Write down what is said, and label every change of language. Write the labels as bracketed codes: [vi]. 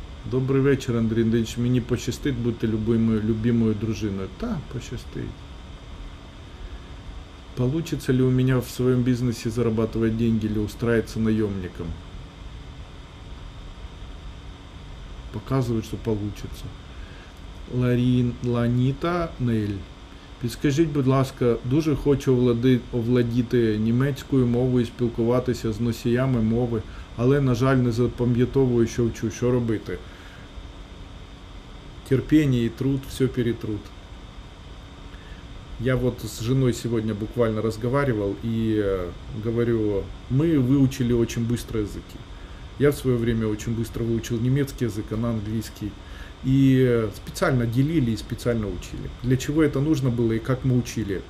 [uk] Добрий вечір, Андрій Андрійович. Мені пощастить бути любимою дружиною. Та, пощастить. [ru] Получится ли у меня в своем бизнесе зарабатывать деньги или устраиваться наемником? Показывают, что получится. Ларин, Ланита, Нель. [uk] Підскажіть, будь ласка, дуже хочу овладіти німецькою мовою, спілкуватися з носіями мови, але, на жаль, не запам'ятовую, що вчу, що робити. Терпіння і труд, все перетрут. [ru] Я вот с женой сегодня буквально разговаривал и говорю, мы выучили очень быстро языки. Я в свое время очень быстро выучил немецкий язык, она английский. И специально делили и специально учили. Для чего это нужно было и как мы учили?